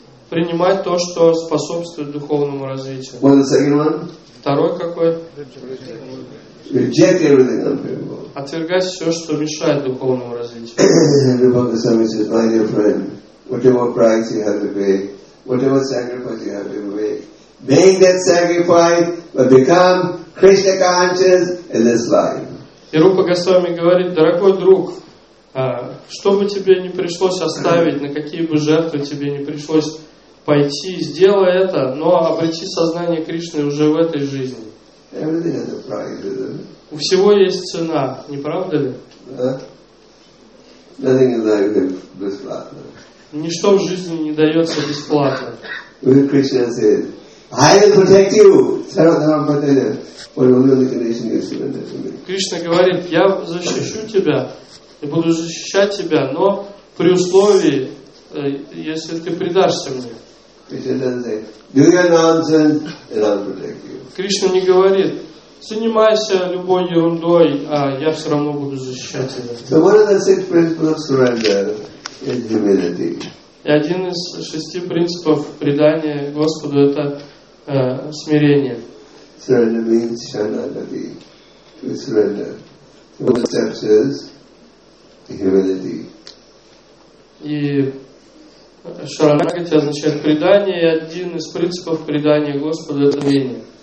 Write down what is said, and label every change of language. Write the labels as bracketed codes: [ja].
[ru] Принимать то, что способствует духовному развитию. [en] What's the second one? [ru] Второй какой? [en] Reject everything unfavorable. [ru] Отвергать все, что мешает духовному развитию. [en] Everybody says, my dear friend, whatever price you have to pay, whatever sacrifice you have to make, make that sacrifice, but become Krishna conscious in this life. [ru] И Рупа Госвами говорит: дорогой друг, что бы тебе не пришлось оставить, на какие бы жертвы тебе не пришлось пойти, сделай это, но обрети сознание Кришны уже в этой жизни. [en] Everything has a price, isn't it? [ru] У всего есть цена, не правда ли? [en] Yeah. Nothing in life is [ru] бесплатно. Ничто в жизни не дается бесплатно. Кришна говорит: [en] I will protect you, Sarvadharma Patele, for only on the condition you surrender to me. [ru] Кришна говорит: я защищу тебя, я буду защищать тебя, но при условии, если ты предашься мне. [en] Кришна doesn't say, do your nonsense, and I'll protect you. [ru] Кришна не говорит: занимайся любой ерундой, а я все равно буду защищать тебя. [en] So one of the six principles of surrender is humility. [ru] И один из шести принципов предания Господу – это смирение. [en] Surrender means Sharanagati. We surrender. The first step is humility. [ru] И Sharanagati означает предание, и один из принципов предания Господу – это смирение.